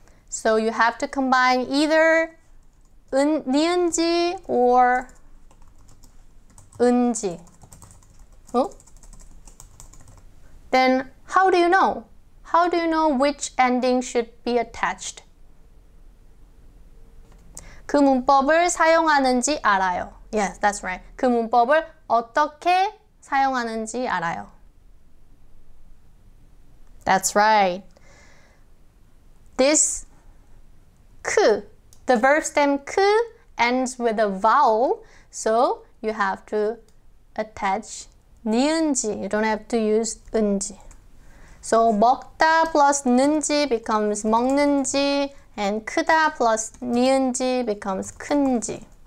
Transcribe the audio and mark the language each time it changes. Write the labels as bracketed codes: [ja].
[en] So you have to combine either 니은지 or 은지. Oh? Then how do you know? How do you know which ending should be attached? [ko] 그 문법을 사용하는지 알아요. [en] Yes, that's right. [ko] 그 문법을 어떻게 사용하는지 알아요. [en] That's right. This 크, the verb stem 크 ends with a vowel, so you have to attach 니은지. You don't have to use 은지. So 먹다 plus 는지 becomes 먹는지, and 크다 plus 니은지 becomes 큰지.